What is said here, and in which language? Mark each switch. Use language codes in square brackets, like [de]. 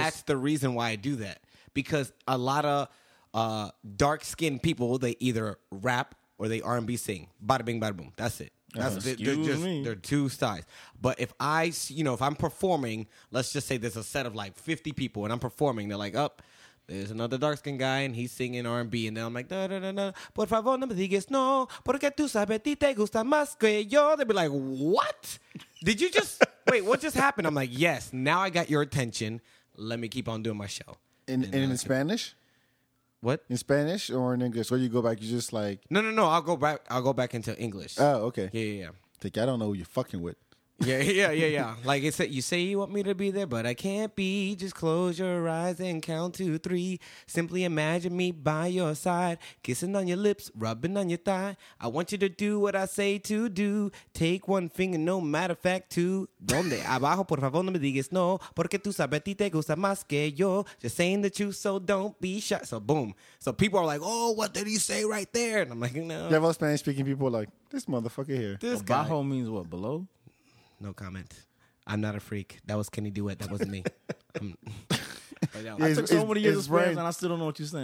[en] That's the reason why I do that. Because a lot of... dark-skinned people, they either rap or they R&B sing. Bada bing, bada boom. That's it. That's they're two styles. But if I, you know, if I'm performing, let's just say there's a set of like 50 people and I'm performing, they're like, oh, there's another dark-skinned guy and he's singing R&B. And then I'm like, [es] da da da da. Por favor, no me digas no. Porque tú sabes que te gusta más que yo. [en] They'd be like, what? Did you just, wait, what just happened? I'm like, yes, now I got your attention. Let me keep on doing my show. And in like, Spanish? What? In Spanish or in English? Or you go back, you just like... No. I'll go back into English. Oh, okay. Yeah. Like, I don't know who you're fucking with. Yeah. Like, it's a, you say you want me to be there, but I can't be. Just close your eyes and count to three. Simply imagine me by your side. Kissing on your lips, rubbing on your thigh. I want you to do what I say to do. Take one finger, no matter fact, two. [es] Donde? Abajo, por favor, no me digas no. Porque tú sabes que te gusta más que yo. [en] Just saying the truth, so don't be shy. So, boom. So, people are like, oh, what did he say right there? And I'm like, no. You have all Spanish-speaking people like, this motherfucker here. This guy. Abajo means what, below? No comment. I'm not a freak. That was Kenny Duet. That wasn't me. I took so many years of Spanish and I still don't know what you're saying.